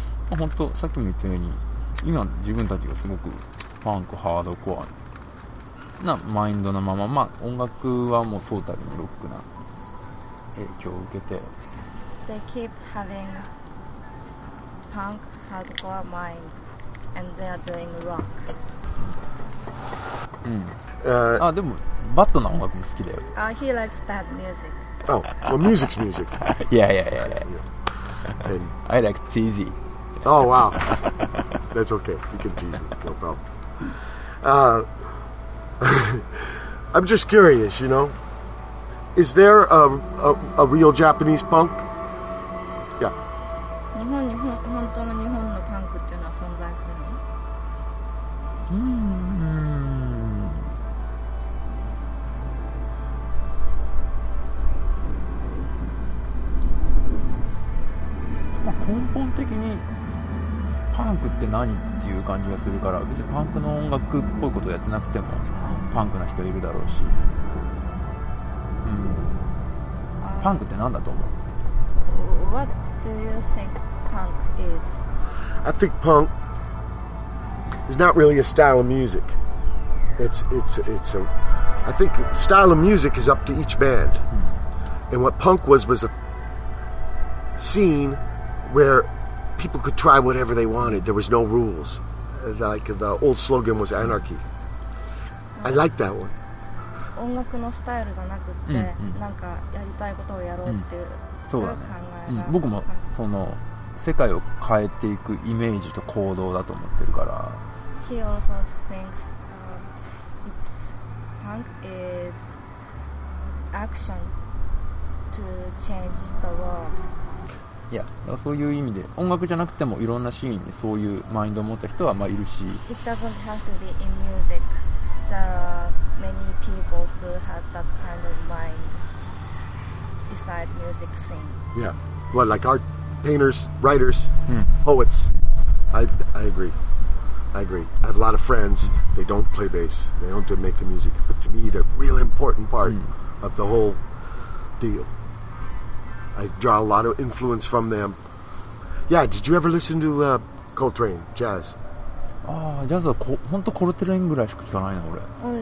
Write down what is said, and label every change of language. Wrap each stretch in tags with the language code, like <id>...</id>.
<ja>まあ本当さっきも言ったように、今自分たちがすごくパンクハードコアなマインドのまま、まあ音楽はもうトータルにロックな影響を受けて</ja> <en>They keep having punk hardcore mind and they are doing rock、</en> <ja>うん あ、でもバッドな音楽も好きだよ、</ja> <en>He likes bad music Oh, well, music's music Yeah. And, I like cheesy Oh, wow That's okay, you can tease me, no problem I'm just curious, you know Is there a real Japanese punk? Yeah</en> <ja>日本に本当の日本のパンクっていうのは存在するの? まあ、根本的にパンクって何っていう感じがするから別にパンクの音楽っぽいことをやってなくてもパンクな人いるだろうし、パンクって何だと思う?</ja> <en>What do you think punk is? I think punk is not really a style of music. I think style of music is up to each band. And what punk was a scene where people could try whatever they wanted. There was no rules. Like the old slogan was anarchy. I like that one.</en> <ja>音楽のスタイルじゃなくって、なんかやりたいことをやろうっていう、そうだね、僕もその世界を変えていくイメージと行動だと思ってるから</ja> <en>He also thinks、punk is action to change the world</en> <ja>いや、だからそういう意味で音楽じゃなくてもいろんなシーンにそういうマインドを持った人はまあいるし</ja> <en>It doesn't have to be in music The many people who have that kind of mind beside music scene. Yeah, well, like art painters, writers, poets. I agree. I have a lot of friends. They don't play bass. They don't do make the music. But to me, they're a real important part of the whole deal. I draw a lot of influence from them. Yeah, did you ever listen to Coltrane, jazz?</en> <ja>ああ、ジャズはこ本当コルテレンぐらいしか聞かないな、俺。</ja>